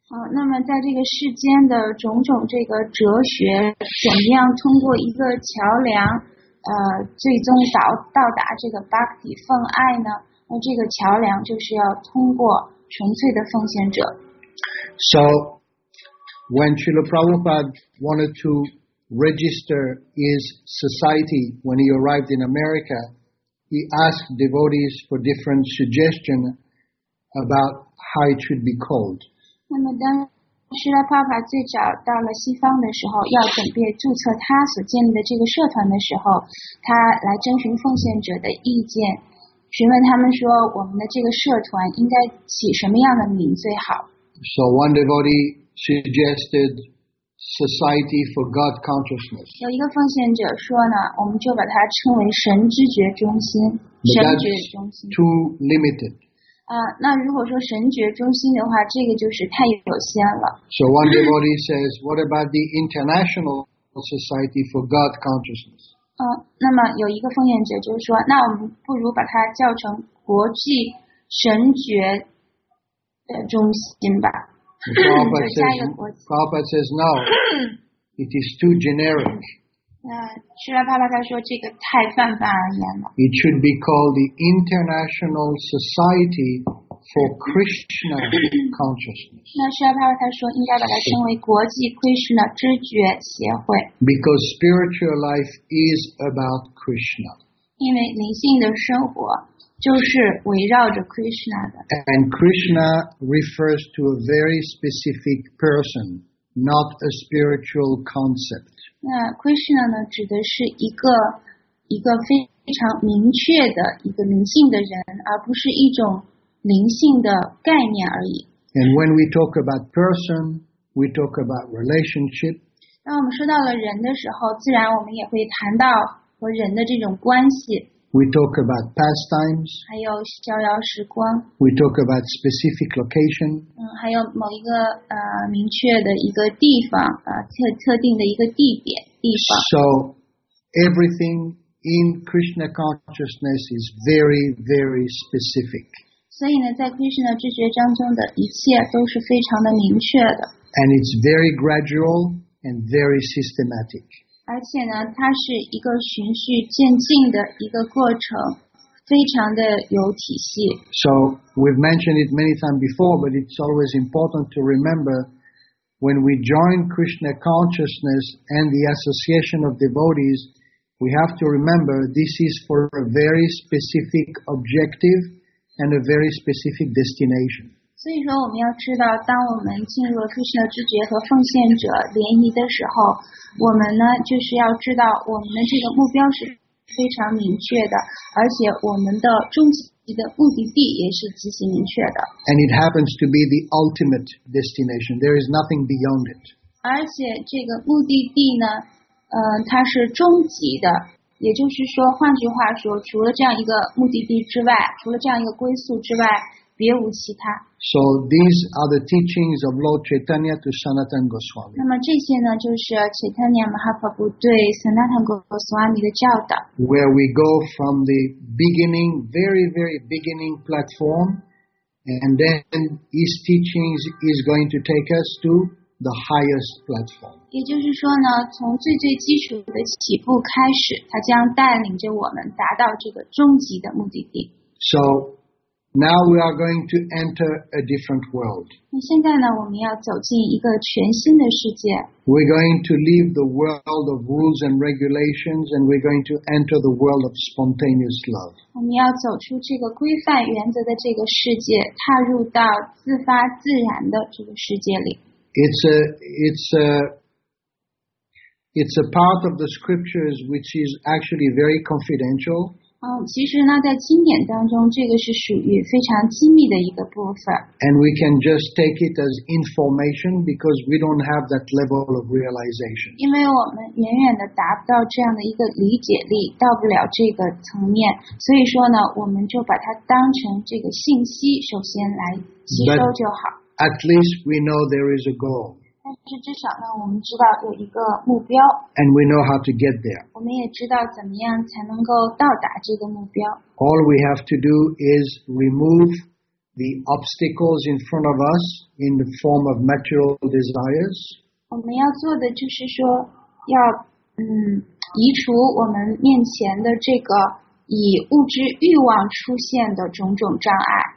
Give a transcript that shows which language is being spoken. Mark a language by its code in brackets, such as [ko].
[zh] 那么在这个世间的种种这个哲学怎么样通过一个桥梁最终到达这个 Bhakti 奉爱呢？那这个桥梁就是要通过纯粹的奉献者。 [en] So,When Srila Prabhupada wanted to register his society when he arrived in America, he asked devotees for different suggestions about how it should be called. [zh] 那么当Srila Prabhupada 最早到了西方的时候，要准备注册他所建立的这个社团的时候，他来征询奉献者的意见，询问他们说我们的这个社团应该起什么样的名最好。 [en] So one devotee suggested Society for God Consciousness. [zh] 有一个奉献者说呢，我们就把它称为神知觉中心。神觉中心。 [en] But that's too limited. [zh] 那如果说神觉中心的话，这个就是太有限了。 [en] So one devotee says, "What about the International Society for God Consciousness?" [zh] 那么有一个奉献者就是说，那我们不如把它叫成国际神觉的中心吧。 [en] Prabhupada says no. It is too generic. [zh] Srila Prabhupada 说这个太泛泛而言了。 [en] It should be called the International Society for Krishna Consciousness. [zh] 那 Srila Prabhupada 说应该把它称为国际 Krishna 知觉协会。 [en] Because spiritual life is about Krishna. [zh] 因为灵性的生活。就是围绕着 Krishna 的。 [en] And Krishna refers to a very specific person, not a spiritual concept. [zh] 那 Krishna 呢，指的是一个非常明确的一个灵性的人，而不是一种灵性的概念而已。 [en] And when we talk about person, we talk about relationship. [zh] 当我们说到了人的时候，自然我们也会谈到和人的这种关系。 [en] We talk about pastimes. [zh] 还有逍遥时光。 [en] We talk about specific location. [zh] 还有某一个明确的一个地方特定的一个地方。 [en] So everything in Krishna consciousness is very, very specific. [zh] 所以呢，在 Krishna 知觉当中的一切都是非常的明确的。 [en] And it's very gradual and very systematic. [zh] 而且呢，它是一个循序渐进的一个过程，非常的有体系。 [en] So we've mentioned it many times before, but it's always important to remember when we join Krishna consciousness and the association of devotees, we have to remember this is for a very specific objective and a very specific destination. [zh] 所以说，我们要知道，当我们进入了 Krishna 知觉和奉献者联谊的时候。我们呢，就是要知道我们的这个目标是非常明确的，而且我们的终极的目的地也是极其明确的。 [en] And it happens to be the ultimate destination. There is nothing beyond it. [zh] 而且这个目的地呢，它是终极的，也就是说，换句话说，除了这样一个目的地之外，除了这样一个归宿之外，别无其他。 [en] So these are the teachings of Lord Chaitanya to Sanatana Goswami. [zh] 那么这些呢，就是 Chaitanya Mahaprabhu 对 Sanatana Goswami 的教导。 [en] Where we go from the beginning, very, very beginning platform, and then his teachings is going to take us to the highest platform. [zh] 也就是说呢，从最最基础的起步开始，他将带领着我们达到这个终极的目的地。 [en] So. Now we are going to enter a different world. [zh] 现在呢，我们要走进一个全新的世界。 [en] We're going to leave the world of rules and regulations, and we're going to enter the world of spontaneous love. [zh] 我们要走出这个规范原则的这个世界，踏入到自发自然的这个世界里。 [en] It's a part of the scriptures which is actually very confidential. [zh] 其实呢，在经典当中，这个是属于非常机密的一个部分。 [en] And we can just take it as information because we don't have that level of realization. [zh] 因为我们远远的达不到这样的一个理解力，到不了这个层面，所以说呢，我们就把它当成这个信息，首先来吸收就好。 [en] But at least we know there is a goal. [zh] 但是至少呢，我们知道有一个目标。 [en] And we know how to get there. [zh] 我们也知道怎么样才能够到达这个目标。 [en] All we have to do is remove the obstacles in front of us in the form of material desires. [zh] 我们要做的就是说，要移除我们面前的这个以物质欲望出现的种种障碍。